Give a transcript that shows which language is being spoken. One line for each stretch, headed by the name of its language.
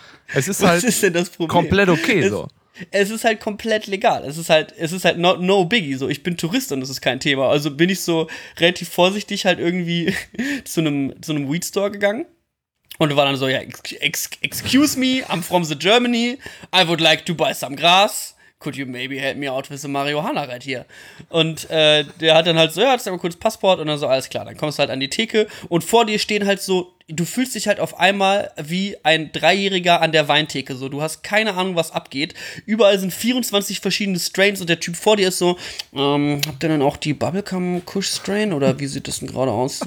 German: Es ist halt komplett okay so. Es ist halt komplett legal. Es ist halt
English: not no biggie.
German: So, ich bin Tourist und das ist kein Thema. Also bin ich so relativ vorsichtig halt irgendwie zu einem Weedstore gegangen und war dann so, ja,
English: excuse me, I'm from the Germany. I would like to buy some grass. Could you maybe help me out with the Marihuana right here?
German: Und der hat dann halt so, ja, jetzt mal kurz Passport und dann so, alles klar, dann kommst du halt an die Theke und vor dir stehen halt so, du fühlst dich halt auf einmal wie ein 3-Jähriger an der Weintheke, so, du hast keine Ahnung, was abgeht, überall sind 24 verschiedene Strains und der Typ vor dir ist so, habt ihr dann auch die Bubblegum Kush Strain oder wie sieht das denn gerade aus?